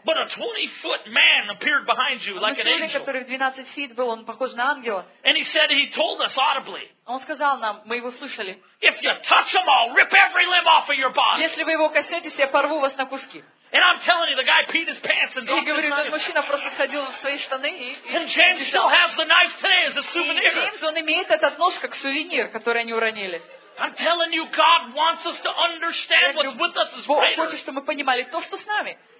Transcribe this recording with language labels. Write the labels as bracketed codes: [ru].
[en] But a 20-foot man appeared behind you like an angel. [ru] Человек, который [en] 12 feet [ru] был, он похож на ангела. [en] And he said he told us audibly. [ru] Он сказал нам, мы его слышали. [en] If you touch him, I'll rip every limb off of your body. [ru] Если вы его коснетесь, я порву вас на куски. [en] And I'm telling you, the guy peed his pants and dropped [ru] говорю, [en] his knife. [ru] Я говорю, мужчина просто сходил в свои штаны и. [en] And James still has the knife today as a souvenir. [ru] Джеймс, он имеет этот нож как сувенир, который они уронили. [en] I'm telling you, God wants us to understand what's with us is greater. [ru] Бог хочет, чтобы мы понимали то, что с нами.